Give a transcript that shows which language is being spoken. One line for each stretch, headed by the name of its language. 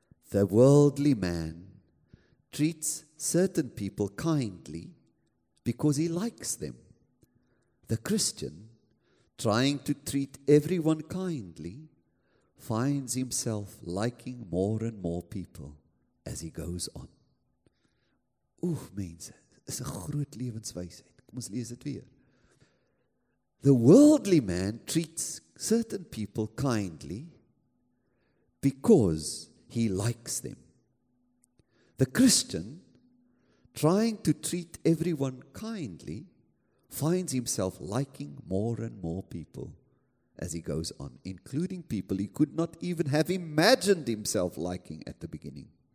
English: The worldly man treats certain people kindly because he likes them. The Christian, trying to treat everyone kindly, finds himself liking more and more people as he goes on.
Afrikaans: Oof, mense, is 'n groot lewenswysheid. Kom ons lees dit weer.
English: The worldly man treats certain people kindly because he likes them. The Christian, trying to treat everyone kindly, finds himself liking more and more people as he goes on, including people he could not even have imagined himself liking at the beginning.